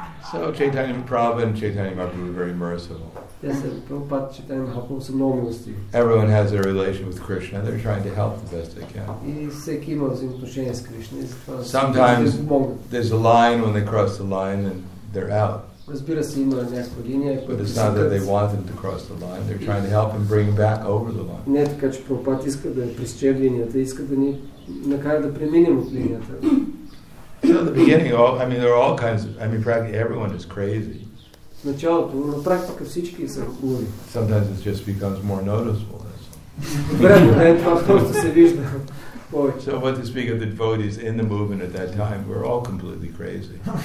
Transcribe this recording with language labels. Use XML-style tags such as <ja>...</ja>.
<en>So Chaitanya Prabhu and Chaitanya Mahaprabhu were very merciful. Everyone has a relation with Krishna. They're trying to help the best they can. Sometimes there's a line when they cross the line and they're out. But it's not that they want them to cross the line. They're trying to help and bring them back over the line.</en> <bg>Не така, че Прабхупад иска да пресече линията, иска да ни накара да преминем от линията.</bg> <en>So in the beginning, there are all kinds of, practically everyone is crazy. Sometimes it just becomes more noticeable. So what to speak of the devotees in the movement at that time, we're all completely crazy.</en>